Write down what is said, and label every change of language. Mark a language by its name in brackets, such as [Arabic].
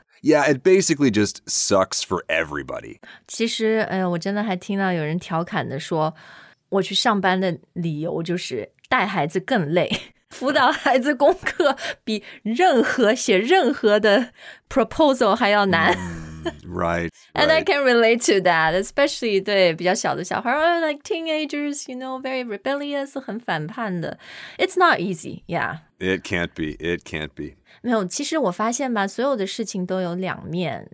[English] Yeah, it basically just sucks for everybody. [Chinese] 其实，哎呀，我真的还听到有人调侃的说，我去上班的理由就是带孩子更累，辅导孩子功课比任何写任何的 proposal 还要难。 [English] Right, right. And I can relate to that, especially [Chinese] 对比较小的小孩 [English] like teenagers, you know, very rebellious, [Chinese] 很反叛的 [English] It's not easy, yeah. It can't be. [Chinese] 没有，其实我发现吧，所有的事情都有两面。